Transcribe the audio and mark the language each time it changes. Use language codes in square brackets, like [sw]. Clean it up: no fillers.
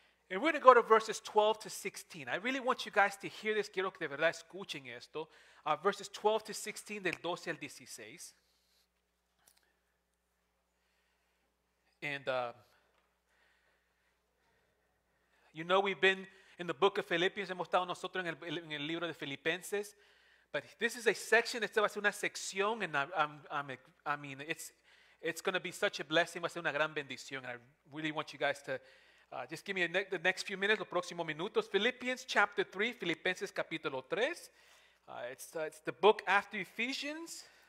[en] And we're going to go to verses 12 to 16. I really want you guys to hear this. [es] Quiero que de verdad escuchen esto. [en] Verses 12 to 16, [es] del 12 al 16. [en] And you know we've been in the book of Philippians. [es] Hemos estado nosotros en el libro de Filipenses. [en] But this is a section. [es] Esta va a ser una sección. [en] And I mean, it's going to be such a blessing. [es] Va a ser una gran bendición. [en] And I really want you guys to just give me the next few minutes, [es] los próximos minutos. [en] Philippians chapter 3, [es] Filipenses capítulo 3. [en] It's the book after Ephesians.